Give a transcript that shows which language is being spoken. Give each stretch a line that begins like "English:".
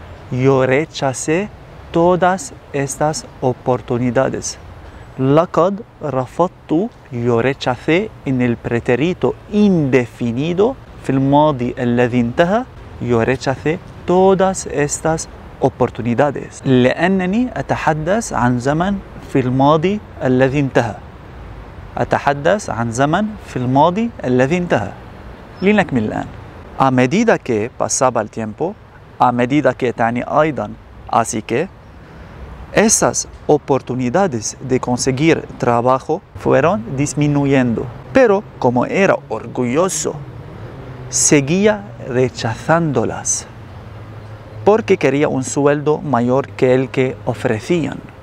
Spanish: Yo rechacé todas estas oportunidades.
Arabic: لقد رفضت
Spanish: yo rechacé en el pretérito indefinido
Arabic: في الماضي الذي انتهى
Spanish: yo rechacé todas estas oportunidades.
Arabic: لأنني أتحدث عن زمن في الماضي الذي انتهى. أتحدث عن زمن في الماضي الذي انتهى. لنكمل الآن.
Spanish: A medida que pasaba el tiempo, a medida que tenía aidan, así que esas oportunidades de conseguir trabajo fueron disminuyendo. Pero como era orgulloso, seguía rechazándolas porque quería un sueldo mayor que el que ofrecían.